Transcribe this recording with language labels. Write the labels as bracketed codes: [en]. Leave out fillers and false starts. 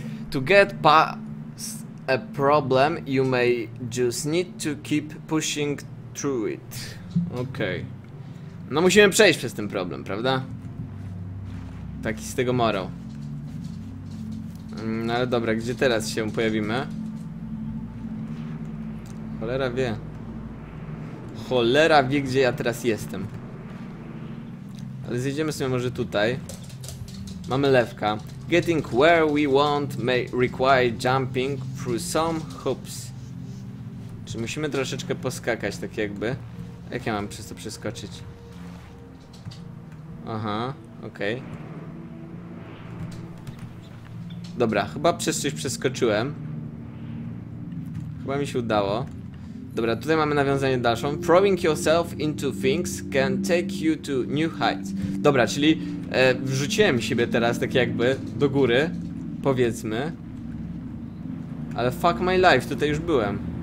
[en] To get past a problem, you may just need to keep pushing through it. Okej. Okay. [pl] No musimy przejść przez ten problem, prawda? Taki z tego morał. No ale dobra, gdzie teraz się pojawimy? Cholera wie. Cholera wie, gdzie ja teraz jestem. Ale zjedziemy sobie może tutaj. Mamy lewka. [en] Getting where we want may require jumping through some hoops. [pl] Czy musimy troszeczkę poskakać tak jakby? Jak ja mam przez to przeskoczyć? Aha, okej. Dobra, chyba przez coś przeskoczyłem. Chyba mi się udało. Dobra, tutaj mamy nawiązanie dalszą. [en] Throwing yourself into things can take you to new heights. [pl] Dobra, czyli wrzuciłem siebie teraz tak jakby do góry, powiedzmy. Ale [en] fuck my life, [pl] tutaj już byłem.